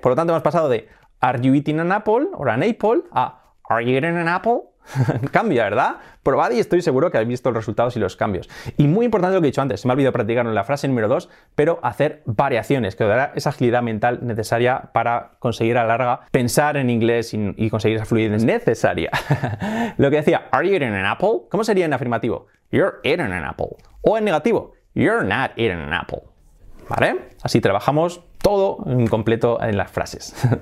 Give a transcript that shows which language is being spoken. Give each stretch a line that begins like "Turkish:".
Spanish: Por lo tanto, hemos pasado de
English: are you eating an apple or an apple a are you eating an apple?
Spanish: Cambia, ¿verdad? Probad y estoy seguro que habéis visto los resultados y los cambios. Y muy importante lo que he dicho antes, se me ha olvidado practicar en la frase número 2, pero hacer variaciones, que os dará esa agilidad mental necesaria para conseguir a la larga pensar en inglés y conseguir esa fluidez necesaria. Lo que decía,
English: are you eating an apple?
Spanish: ¿Cómo sería en afirmativo?
English: You're eating an apple.
Spanish: O en negativo,
English: you're not eating an apple.
Spanish: ¿Vale? Así trabajamos todo en completo en las frases.